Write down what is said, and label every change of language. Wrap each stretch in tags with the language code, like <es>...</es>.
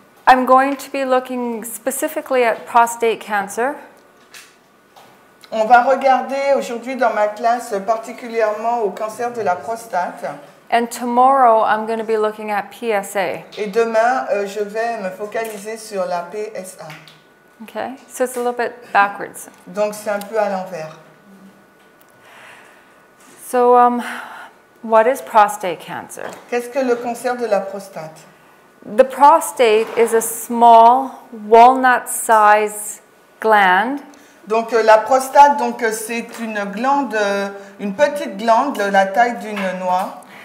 <en>I'm going to be looking specifically at prostate cancer.</en> <fr>On va regarder aujourd'hui dans ma classe particulièrement au cancer de la prostate.</fr> <en>And tomorrow I'm going to be looking at PSA.</en> <fr>Et demain je vais me focaliser sur la PSA.</fr> <en>Okay, so it's a little bit backwards.</en> <fr>Donc c'est un peu à l'envers.</fr> <en>So, what is prostate cancer?</en> <fr>Qu'est-ce que le cancer de la prostate?</fr> <en>The prostate is a small walnut-sized gland.</en> <fr>Donc la prostate, donc c'est une glande, une petite glande de la taille d'une noix.</fr>